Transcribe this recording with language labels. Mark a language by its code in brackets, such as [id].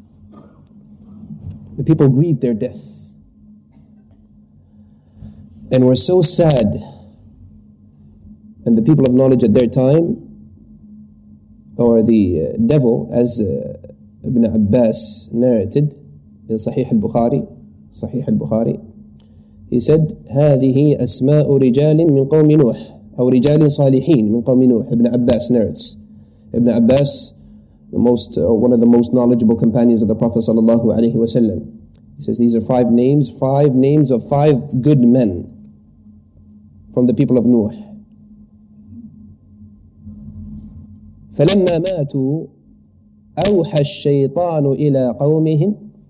[en] The people grieved their death and were so sad. And the people of knowledge at their time, or the devil, as Ibn Abbas narrated in Sahih al-Bukhari, صحيح البخاري. He said, [ar] هذه أسماء رجال من قوم نوح أو رجال صالحين من قوم نوح. [en] Ibn Abbas narrates. Ibn Abbas, the most, one of the most knowledgeable companions of the Prophet sallallahu alaihi wasallam. He says, these are five names of five good men from the people of Nuh. [ar] فلما ماتوا أوحى الشيطان إلى قومهم.